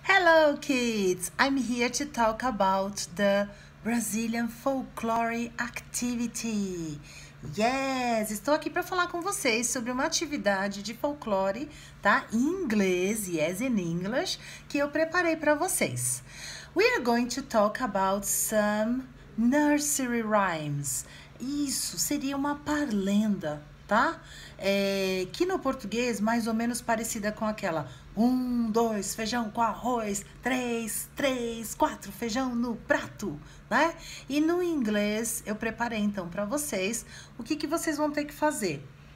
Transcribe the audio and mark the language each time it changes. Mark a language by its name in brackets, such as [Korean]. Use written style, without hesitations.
[English] Hello kids, I'm here to talk about the Brazilian Folklore Activity. [Portuguese] Yes, estou aqui para falar com vocês sobre uma atividade de folclore, tá? Em inglês, [English] yes, in English, [Portuguese] que eu preparei para vocês. [English] We are going to talk about some nursery rhymes. [Portuguese] Isso seria uma parlenda, tá? Que no português mais ou menos parecida com aquela. Um, dois, feijão com arroz. Três, três, quatro, feijão no prato, né? E no inglês eu preparei então para vocês o que que vocês vão ter que fazer.